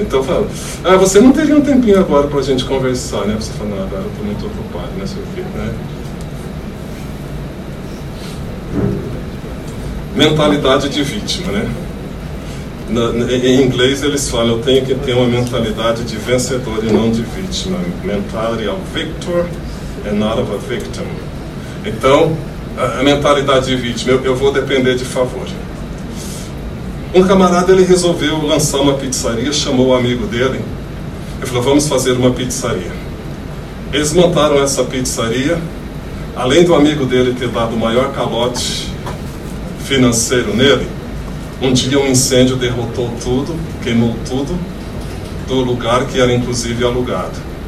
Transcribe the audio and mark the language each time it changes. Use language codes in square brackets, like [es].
[pt] Então, fala: ah, você não teria um tempinho agora para a gente conversar, né? Você fala: não, agora eu estou muito ocupado, né, seu filho, né? Mentalidade de vítima, né? Em inglês eles falam: eu tenho que ter uma mentalidade de vencedor e não de vítima. [en] Mentality of victor and not of a victim. [pt] Então, a mentalidade de vítima: eu vou depender de favor. Um camarada, ele resolveu lançar uma pizzaria, chamou o amigo dele e falou: vamos fazer uma pizzaria. Eles montaram essa pizzaria, além do amigo dele ter dado o maior calote financeiro nele, um dia um incêndio derrotou tudo, queimou tudo do lugar que era inclusive alugado.